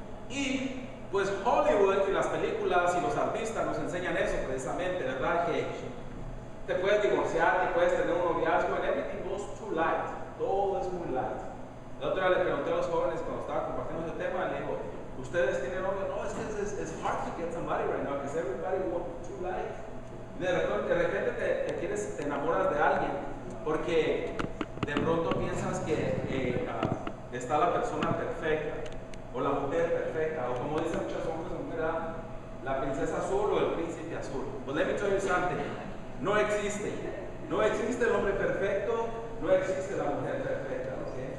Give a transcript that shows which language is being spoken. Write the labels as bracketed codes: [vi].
[es] Y pues Hollywood y las películas y los artistas nos enseñan eso precisamente, ¿verdad? Que te puedes divorciar, te puedes tener un noviazgo, [en] and everything goes too light. [es] Todo es muy light. La otra vez le pregunté a los jóvenes cuando estaba compartiendo este tema, le digo, ¿ustedes tienen novio? No, es que [en] it's hard to get somebody right now because everybody wants too light. [es] De repente te enamoras de alguien porque de pronto piensas que está la persona perfecta o la mujer perfecta, o como dicen muchos hombres, la princesa azul o el príncipe azul. [en] But let me tell you something, [es] no existe. No existe el hombre perfecto, no existe la mujer perfecta, ¿ok?